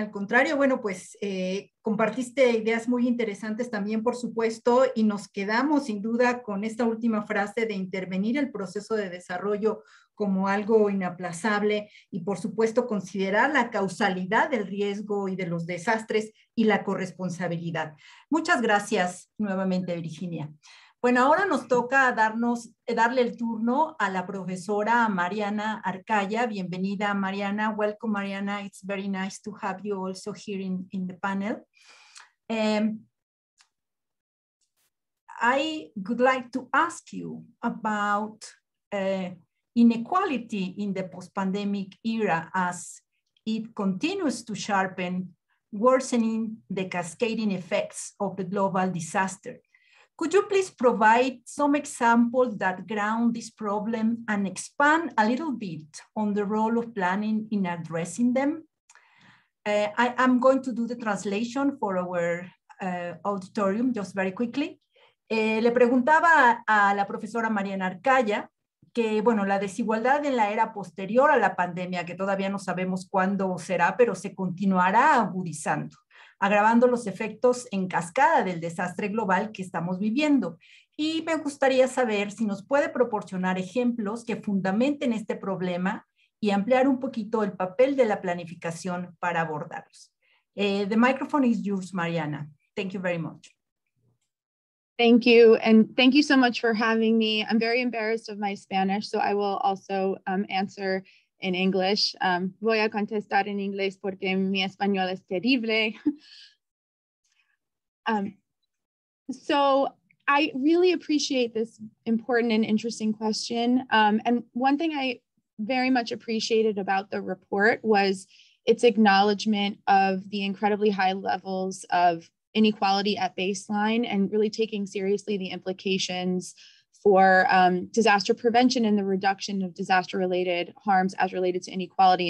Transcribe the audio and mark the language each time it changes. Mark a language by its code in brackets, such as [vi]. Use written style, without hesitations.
[es] Al contrario, bueno, pues compartiste ideas muy interesantes también, por supuesto, y nos quedamos sin duda con esta última frase de intervenir el proceso de desarrollo como algo inaplazable y, por supuesto, considerar la causalidad del riesgo y de los desastres y la corresponsabilidad. Muchas gracias nuevamente, Virginia. Bueno, ahora nos toca darle el turno a la profesora Mariana Arcaya. Bienvenida, Mariana. [en] Welcome, Mariana. It's very nice to have you also here in the panel. I would like to ask you about inequality in the post-pandemic era as it continues to sharpen, worsening the cascading effects of the global disaster. Could you please provide some examples that ground this problem and expand a little bit on the role of planning in addressing them? I am going to do the translation for our auditorium just very quickly. [es] Le preguntaba a la profesora Mariana Arcaya que, bueno, la desigualdad en la era posterior a la pandemia, que todavía no sabemos cuándo será, pero se continuará agudizando, agravando los efectos en cascada del desastre global que estamos viviendo. Y me gustaría saber si nos puede proporcionar ejemplos que fundamenten este problema y ampliar un poquito el papel de la planificación para abordarlos. [en] The microphone is yours, Mariana. Thank you very much. Thank you, and thank you so much for having me. I'm very embarrassed of my Spanish, so I will also answer in English. [es] Voy a contestar en inglés porque mi español es terrible. [en] So I really appreciate this important and interesting question. And one thing I very much appreciated about the report was its acknowledgement of the incredibly high levels of inequality at baseline and really taking seriously the implications for disaster prevention and the reduction of disaster-related harms as related to inequality.